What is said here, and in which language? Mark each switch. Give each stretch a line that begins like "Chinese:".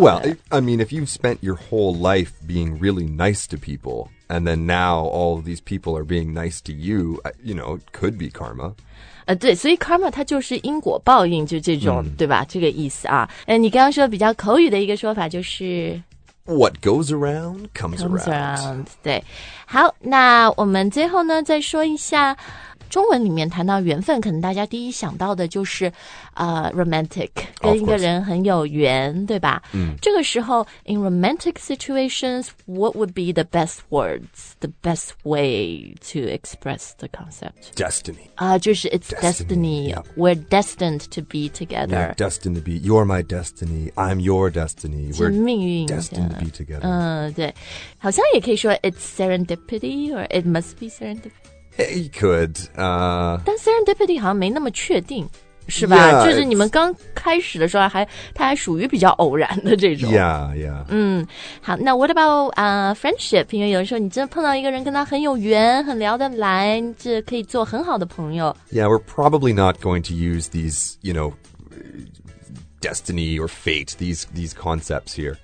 English: Well, I mean, if you've spent your whole life being really nice to people, and then now all of these people are being nice to you, you know, it could be karma.
Chinese: 对所以 karma 它就是因果报应就这种、对吧这个意思啊。你刚刚说比较口语的一个说法就是。
English: What goes around comes around. Comes around,
Chinese: 对。好那我们最后呢再说一下中文里面谈到缘分可能大家第一想到的就是romantic, 跟一个人很有缘对吧、这个时候
English: in romantic situations, what would be the best words, the best way to express the concept? Destiny.
Chinese: 就是
English: it's destiny.、 Yeah. We're destined to be together. We're destined to be. You're my destiny. I'm your destiny. We're destined to be together.
Chinese: 对。好像也可以说
English: it's serendipity or it must be serendipity. He could.、
Chinese: 但 serendipity 好像没那么确定是吧
English: yeah,
Chinese: 就是你们刚开始的时候还它还属于比较偶然的这种。
English: Yeah, yeah.
Chinese: 好那
English: what about、friendship?
Chinese: 因为有的时候你真的碰到一个人跟他很有缘很聊得来这可以做很好的朋友。
English: Yeah, we're probably not going to use these, you know, destiny or fate, these concepts here.